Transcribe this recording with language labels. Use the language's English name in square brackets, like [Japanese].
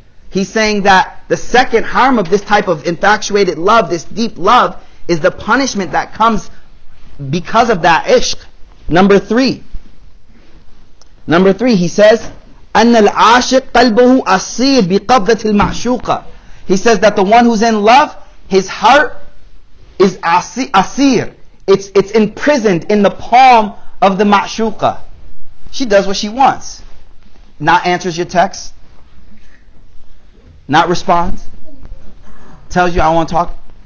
[English] He's saying that the second harm of this type of infatuated love, this deep love, is the punishment that comes because of that ishq. Number three, he says, [Arabic] أن العاشق قلبه أصير بقبضة المعشوقة. [English] He says that the one who's in love, his heart is asir. It's imprisoned in the palm of the ma'shuqa. She does what she wants. Not answers your text. Not responds. Tells you, I want to talk.